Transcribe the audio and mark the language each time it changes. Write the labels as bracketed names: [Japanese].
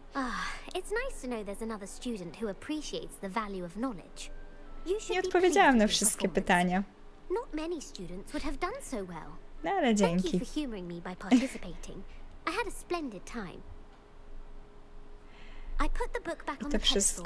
[English] Ah, oh, it's nice to know there's another student who appreciates the value of knowledge. You should [Polish] nie odpowiedziałam na wszystkie pytania. [English] Not many students would have done so well. [Polish] No, ale dzięki. [English] Thank you for humoring me by participating. I had a splendid time. I put the book back on the pedestal